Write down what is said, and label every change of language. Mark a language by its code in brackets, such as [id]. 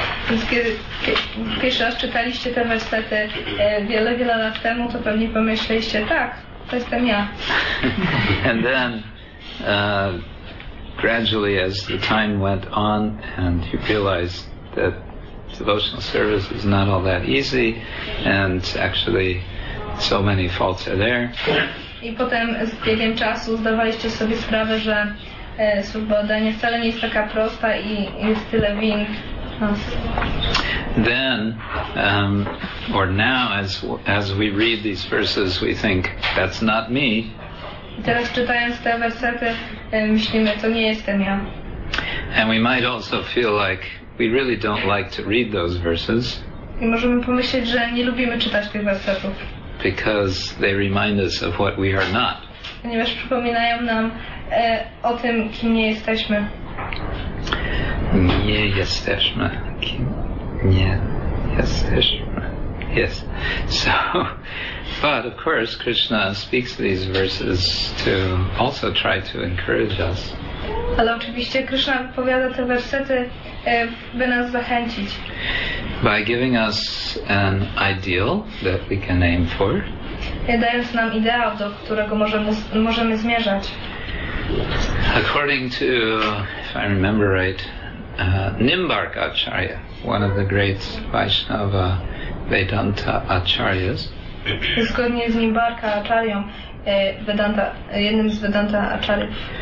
[pl] Więc kiedy raz czytaliście te wersety wiele, wiele lat temu, to pewnie pomyśleliście, tak, to jestem ja. [en] And then, gradually as the time went on and you realized that devotional service is not all that easy and actually so many faults are there. [pl] I potem z biegiem czasu zdawaliście sobie sprawę, że służba oddania wcale nie jest taka prosta i jest tyle win. [en] Then, or now, as we read these verses, we think, that's not me. [pl] I teraz czytając te wersety, myślimy, to nie jestem ja. [en] And we might also feel like we really don't like to read those verses. [pl] I możemy pomyśleć, że nie lubimy czytać tych wersetów. [en] Because they remind us of what we are not. [pl] Ponieważ przypominają nam o tym, kim nie jesteśmy. Nie jesteśmy. Kim nie jesteśmy. [en] Yes. So, but of course Krishna speaks these verses to also try to encourage us. [pl] Ale oczywiście Krishna powiada te wersety, by nas zachęcić. [en] By giving us an ideal that we can aim for. [pl] Dając nam ideał, do którego możemy zmierzać. [en] According to, if I remember right, Nimbarkacharya, one of the great Vaishnava Vedanta Acharyas. [pl] Zgodnie z Nimbarka Acharyą, Vedanta, jednym z Vedanta Acharyów.